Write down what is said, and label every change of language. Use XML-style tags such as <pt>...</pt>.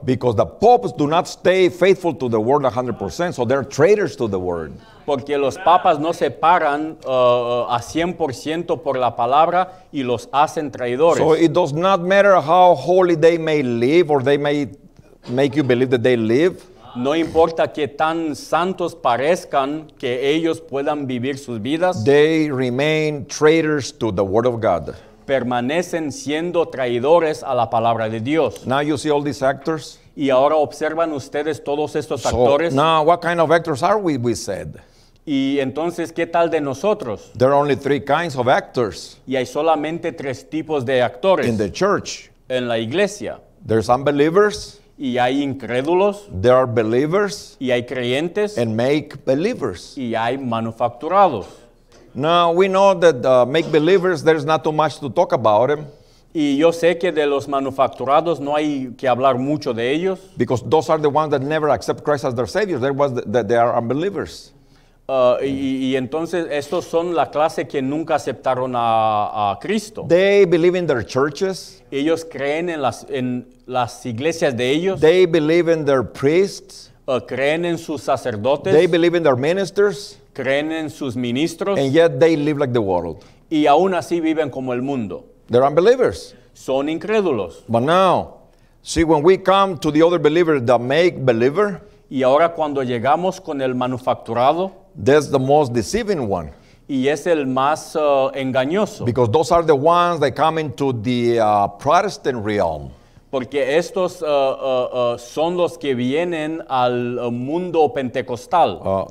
<en>Because the popes do not stay faithful to the word 100%, so they're traitors to the word.</en> <es>Porque los papas no se paran a 100% por la palabra y los hacen traidores.</es> <en>So it does not matter how holy they may live or they may make you believe that they live.</en> <es>No importa que tan santos parezcan que ellos puedan vivir sus vidas.</es> <en>They remain traitors to the word of God.</en> <es>Permanecen siendo traidores a la palabra de Dios.</es> <en>Now you see all these actors.</en> <es>Y ahora observan ustedes todos estos actores.</es> <en>So now what kind of actors are we? We said.</en> <es>Y entonces, ¿qué tal de nosotros?</es> <en>There are only three kinds of actors.</en> <es>Y hay solamente tres tipos de actores.</es> <en>In the church.</en> <es>En la iglesia.</es> <en>There's unbelievers.</en> <es>Y hay incrédulos.</es> <en>There are believers.</en> <es>Y hay creyentes.</es> <en>And make believers.</en> <es>Y hay manufacturados.</es> <en>Now we know that make believers, there's not too much to talk about them.</en> <es>Y yo sé que de los manufacturados no hay que hablar mucho de ellos.</es> <en>Because those are the ones that never accept Christ as their Savior. They are unbelievers.</en> <es>Y entonces estos son la clase que nunca aceptaron a Cristo.</es> <en>They believe in their churches.</en> <es>Ellos creen en las iglesias de ellos.</es> <en>They believe in their priests.</en> <es>Creen en sus sacerdotes.</es> <en>They believe in their ministers.</en> <es>Creen en sus ministros.</es> <en>And yet they live like the world.</en> <es>Y aún así viven como el mundo.</es> <en>They're unbelievers.</en> <es>Son incrédulos.</es> <en>But now, see, when we come to the other believer, the make believer.</en> <es>Y ahora cuando llegamos con el manufacturado.</es> <en>That's the most deceiving one.</en> <es>Y es el más engañoso.</es> <en>Because those are the ones that come into the Protestant realm.</en> <es>Porque estos son los que vienen al mundo pentecostal.</es>